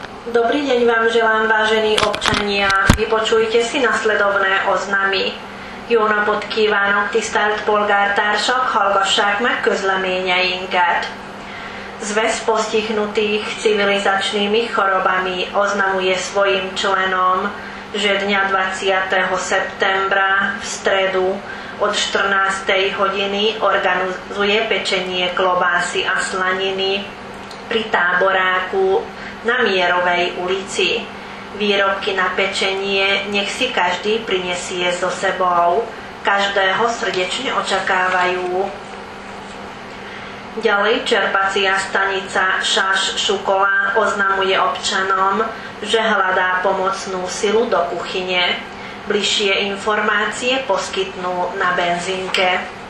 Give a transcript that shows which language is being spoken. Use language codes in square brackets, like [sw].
[sk] Dobrý deň vám želám, vážení občania. Vypočujte si nasledovné oznamy. [hu] Jó napot kívánok, tisztelt polgártársak, hallgassák meg közleményeinket. [sk] Zväz postihnutých civilizačnými chorobami oznamuje svojim členom, že dňa 20. septembra v stredu od 14. hodiny organizuje pečenie klobásy a slaniny pri táboráku na Mierovej ulici. Výrobky na pečenie nech si každý prinesie so sebou. Každého srdečne očakávajú. Ďalej čerpacia stanica Šaš Šukola oznamuje občanom, že hľadá pomocnú silu do kuchyne. Bližšie informácie poskytnú na benzínke.